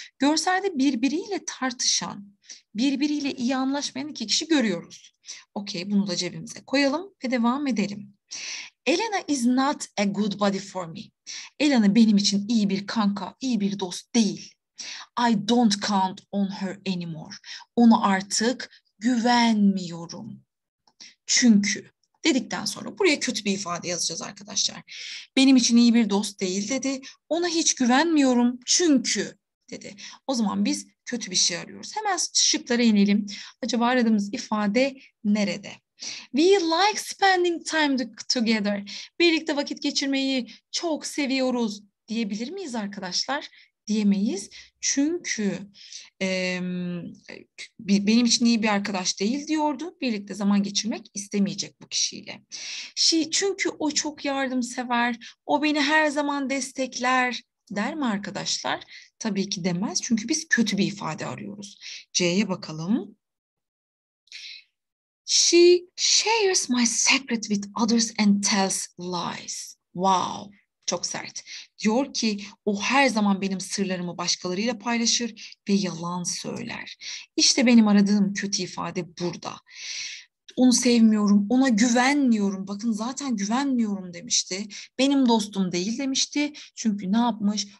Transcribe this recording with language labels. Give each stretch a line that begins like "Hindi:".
Turkish: Görselde birbiriyle tartışan, birbiriyle iyi anlaşmayan iki kişi görüyoruz. Okey, bunu da cebimize koyalım ve devam edelim.
English: Elena is not a good buddy for me.
Turkish: Elena benim için iyi bir kanka, iyi bir dost değil.
English: I don't count on her anymore.
Turkish: Ona artık güvenmiyorum. Çünkü dedikten sonra buraya kötü bir ifade yazacağız arkadaşlar. Benim için iyi bir dost değil dedi. Ona hiç güvenmiyorum çünkü dedi. O zaman biz kötü bir şey arıyoruz. Hemen şıklara inelim. Acaba aradığımız ifade nerede?
English: We like spending time together.
Turkish: Birlikte vakit geçirmeyi çok seviyoruz diyebilir miyiz arkadaşlar? Diyemeyiz. Çünkü benim için iyi bir arkadaş değil diyordu. Birlikte zaman geçirmek istemeyecek bu kişiyle. Çünkü o çok yardımsever. O beni her zaman destekler der mi arkadaşlar? Tabii ki demez. Çünkü biz kötü bir ifade arıyoruz. C'ye bakalım.
English: She shares my secret with others and tells lies.
Turkish: Wow, çok sert. Diyor ki o her zaman benim sırlarımı başkalarıyla paylaşır ve yalan söyler. İşte benim aradığım kötü ifade burada. Onu sevmiyorum, ona güvenmiyorum. Bakın zaten güvenmiyorum demişti. Benim dostum değil demişti. Çünkü ne yapmış?